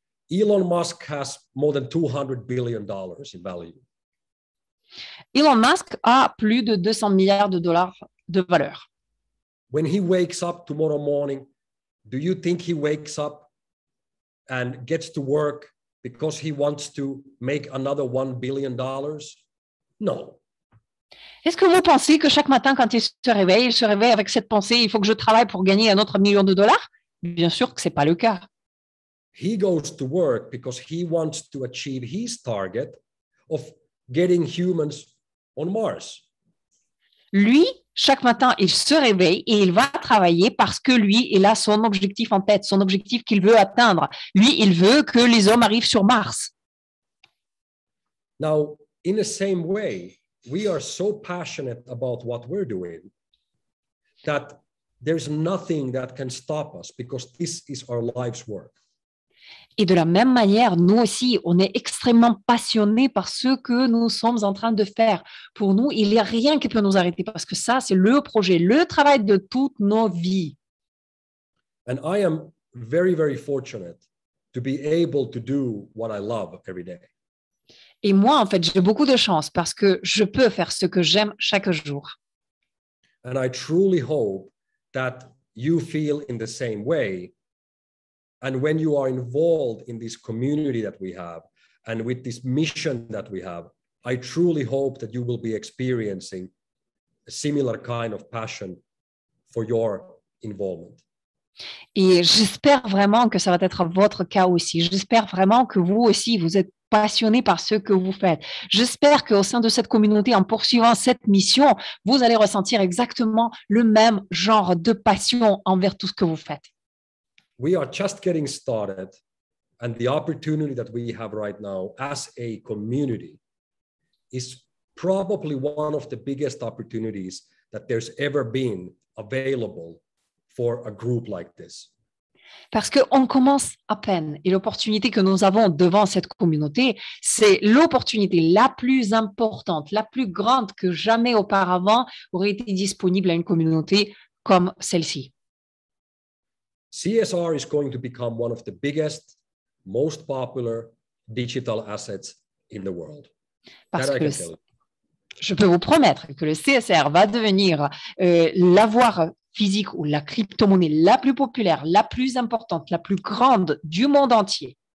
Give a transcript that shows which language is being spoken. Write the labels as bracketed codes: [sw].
[en] Elon Musk has more than $200 billion in value. [fr] Elon Musk a plus de 200 milliards de dollars de valeur. [en] When he wakes up tomorrow morning, do you think he wakes up and gets to work because he wants to make another $1 billion? No. [fr] Est-ce que vous pensez que chaque matin quand il se réveille avec cette pensée, il faut que je travaille pour gagner un autre million de dollars? Bien sûr que ce n'est pas le cas. [en] He goes to work because he wants to achieve his target of getting humans on Mars. [fr] Lui, chaque matin, il se réveille et il va travailler parce que lui, il a son objectif en tête, son objectif qu'il veut atteindre. Lui, il veut que les hommes arrivent sur Mars. [en] Now, in the same way, we are so passionate about what we're doing that there's nothing that can stop us because this is our life's work. [fr] Et de la même manière, nous aussi, on est extrêmement passionnés par ce que nous sommes en train de faire. Pour nous, il n'y a rien qui peut nous arrêter parce que ça, c'est le projet, le travail de toutes nos vies. [en] And I am very, very fortunate to be able to do what I love every day. [fr] Et moi, en fait, j'ai beaucoup de chance parce que je peux faire ce que j'aime chaque jour. [en] And I truly hope that you feel in the same way. And when you are involved in this community that we have and with this mission that we have, I truly hope that you will be experiencing a similar kind of passion for your involvement. [fr] Et j'espère vraiment que ça va être votre cas aussi. J'espère vraiment que vous aussi, vous êtes passionné par ce que vous faites. J'espère qu'au sein de cette communauté, en poursuivant cette mission, vous allez ressentir exactement le même genre de passion envers tout ce que vous faites. [en] We are just getting started, and the opportunity that we have right now as a community is probably one of the biggest opportunities that there's ever been available for a group like this. [fr] Parce qu'on commence à peine, et l'opportunité que nous avons devant cette communauté, c'est l'opportunité la plus importante, la plus grande que jamais auparavant aurait été disponible à une communauté comme celle-ci. [en] CSR is going to become one of the biggest, most popular digital assets in the world. [fr] Parce que je peux vous promettre que le CSR va devenir l'avoir physique ou la crypto-monnaie la plus populaire, la plus importante, la plus grande du monde entier.